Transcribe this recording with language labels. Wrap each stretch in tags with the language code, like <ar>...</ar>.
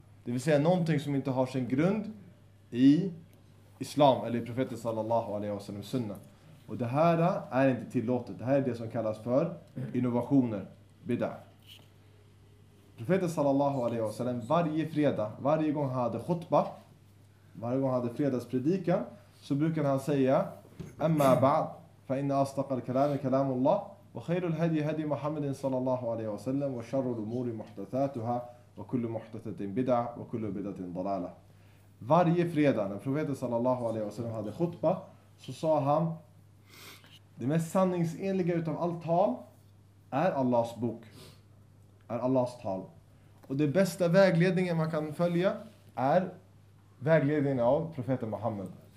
<sv>Det vill säga någonting som inte har sin grund i islam eller i profeten sallallahu alaihi wa sallam sunna. Och det här är inte tillåtet. Det här är det som kallas för innovationer. Bid'ah. Profeten sallallahu alaihi wasallam varje fredag, varje gång han hade khutbah, varje gång han hade fredagspredikan, så brukade han säga</sv> <ar>أما بعد فإن أصدق الكلام كلام الله وخير الهدي هدي محمد صلى الله عليه وسلم وشر الأمور محدثاتها وكل محدثة بدعة وكل بدعة ضلالة.</ar> <sv>Varje fredag när profeten sallallahu alaihi wasallam hade khutba så sa han: det mest sanningsenliga utav allt tal är Allahs bok, är Allahs tal. Och det bästa vägledningen man kan följa är vägledningen av profeten Muhammed.</sv>